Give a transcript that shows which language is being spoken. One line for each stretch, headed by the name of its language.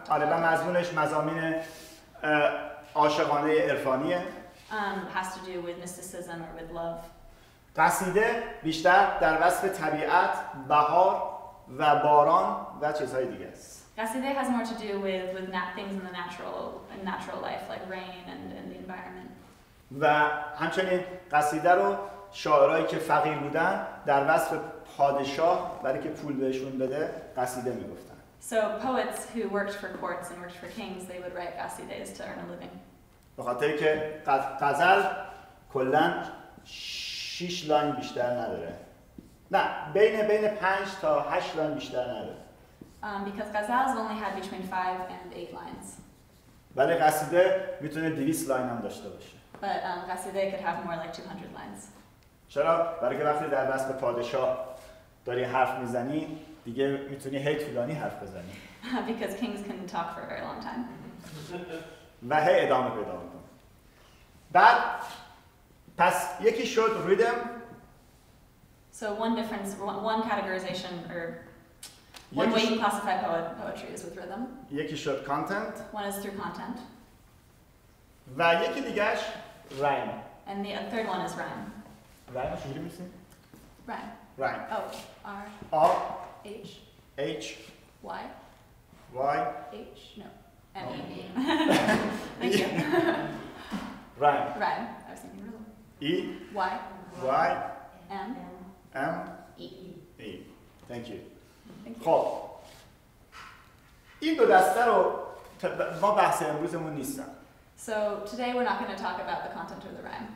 Persian: و مضمونش مضامین عاشقانه عرفانیه.
English: Has to do with mysticism or with love.
Persian: قصیده بیشتر در وصف طبیعت، بهار و باران و چیزهای دیگه است.
English: قصیده has more to do with things in the natural life like rain and the environment.
Persian: و همچنین قصیده رو شاعرایی که فقیر بودن در وصف پادشاه برای که پول بهشون بده قصیده میگفتن.
English: So poets who worked for courts and worked for kings, they would write qasidas to earn a living.
Persian: بخاطر که غزل کلاً 6 لاین بیشتر نداره. نه، بین 5 تا 8 لاین بیشتر نداره.
English: Because qasidas only had between 5 and 8 lines.
Persian: ولی قصیده میتونه 200 لاین هم داشته باشه.
English: But qasida could have more like 200 lines.
Persian: چرا؟ برای که وقتی در وصف پادشاه داری حرف میزنی دیگه میتونی هی طولانی حرف بزنی.
English: Because kings can talk for a very long time.
Persian: و هی ادامه پیدا کن. بعد پس یکی شد ریدم.
English: So one difference, one categorization or one way you classify poetry is with rhythm.
Persian: یکی شد content.
English: One is through content.
Persian: و یکی دیگهش rhyme.
English: And the third one is rhyme.
Persian: Rhyme چجوری میشه؟
English: Rhyme. Rhyme. Oh, R. R. H. H. Y. Y. H. No. M. E. Thank you. Rhyme. Rhyme. I was thinking rhythm. E. Y. Y. M. M. E. E. Thank you. Thank you.
Persian: خب. این دو دسته رو ما بحث امروزمون نیستن.
English: So today we're not going to talk about the content or the rhyme.